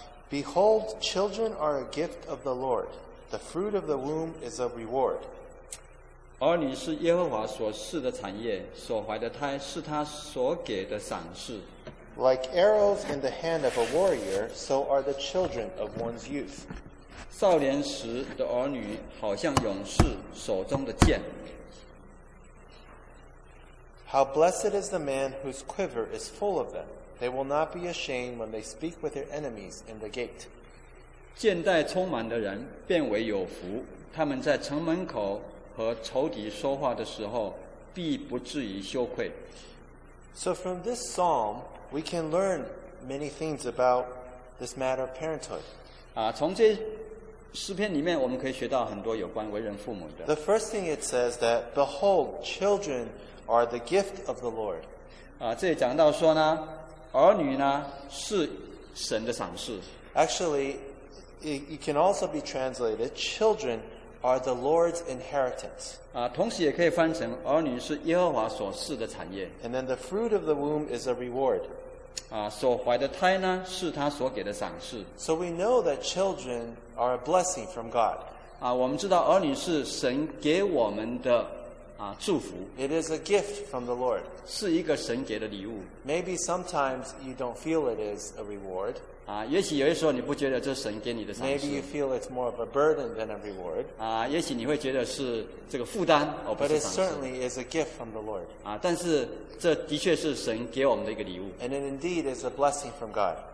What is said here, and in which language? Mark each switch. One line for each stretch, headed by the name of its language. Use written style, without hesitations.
English: Behold, children are a gift of the Lord. The fruit of the womb is a reward.
Chinese: 儿女是耶和华所赐的产业，所怀的胎是他所给的赏赐。
English: Like arrows in the hand of a warrior, so are the children of one's youth.
Chinese: 少年时的儿女好像勇士手中的剑。
English: How blessed is the man whose quiver is full of them. They will not be ashamed when they speak with their enemies in the gate.
Chinese: 剑带充满的人便为有福，他们在城门口和仇敌说话的时候必不至于羞愧。
English: So from this psalm, we can learn many things about this matter of parenthood.
Chinese: 从这诗篇里面我们可以学到很多有关为人父母的。
English: The first thing it says that, behold, children are the gift of the Lord.
Chinese: 这里讲到说呢，儿女呢是神的赏赐。
English: Actually, it can also be translated, children are the Lord's inheritance.
Chinese: 同时也可以翻成儿女是耶和华所赐的产业。
English: And then the fruit of the womb is a reward.
Chinese: 所怀的胎呢是他所给的赏赐。
English: So we know that children are a blessing from God.
Chinese: 我们知道儿女是神给我们的祝福。
English: It is a gift from the Lord.
Chinese: 是一个神给的礼物。
English: Maybe sometimes you don't feel it is a reward.
Chinese: 也许有些时候你不觉得这是神给你的赏赐。
English: Maybe you feel it's more of a burden than a reward.
Chinese: 也许你会觉得是这个负担而不是赏赐。
English: But it certainly is a gift from the Lord.
Chinese: 但是这的确是神给我们的一个礼物。
English: And it indeed is a blessing from God.